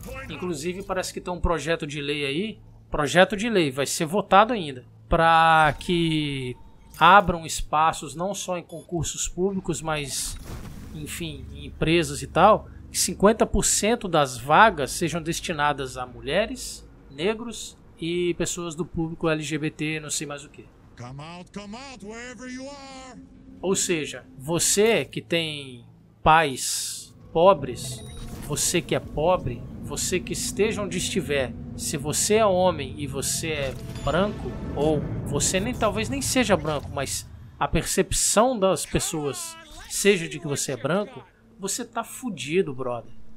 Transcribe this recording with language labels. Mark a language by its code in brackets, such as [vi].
[pt] Inclusive parece que tem um projeto de lei aí, projeto de lei, vai ser votado ainda, para que abram espaços não só em concursos públicos, mas enfim, em empresas e tal, que 50% das vagas sejam destinadas a mulheres, negros e pessoas do público LGBT, não sei mais o que. [en] Come out, wherever you are. [pt] Ou seja, você que tem pais pobres, você que é pobre, você que esteja onde estiver, se você é homem e você é branco, ou você nem, talvez nem seja branco, mas a percepção das pessoas seja de que você é branco, você tá fudido, brother.